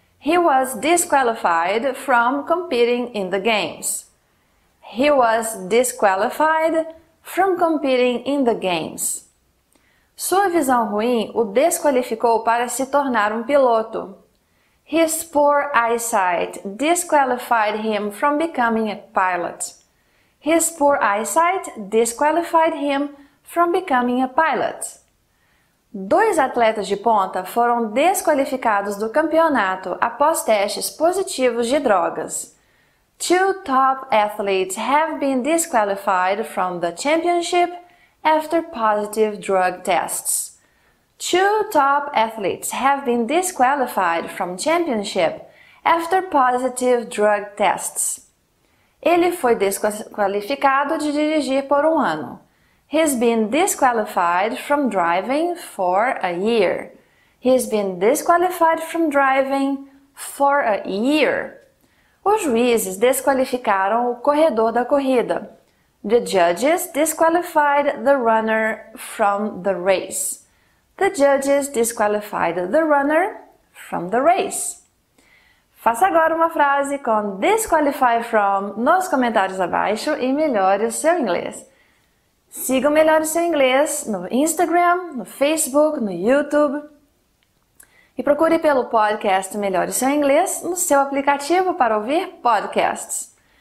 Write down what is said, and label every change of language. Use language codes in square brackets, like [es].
[en] He was disqualified from competing in the games. He was disqualified from competing in the games. [pt] Sua visão ruim o desqualificou para se tornar um piloto. [en] His poor eyesight disqualified him from becoming a pilot. His poor eyesight disqualified him from becoming a pilot. [pt] Dois atletas de ponta foram desqualificados do campeonato após testes positivos de drogas. [en] Two top athletes have been disqualified from the championship after positive drug tests. Two top athletes have been disqualified from championship after positive drug tests. [pt] Ele foi desqualificado de dirigir por um ano. [en] He's been disqualified from driving for a year. He's been disqualified from driving for a year. [pt] Os juízes desqualificaram o corredor da corrida. [en] The judges disqualified the runner from the race. The judges disqualified the runner from the race. [pt] Faça agora uma frase com [en] disqualify from [pt] nos comentários abaixo e melhore o seu inglês. Siga o Melhore Seu Inglês no Instagram, no Facebook, no YouTube. E procure pelo podcast Melhore Seu Inglês no seu aplicativo para ouvir podcasts.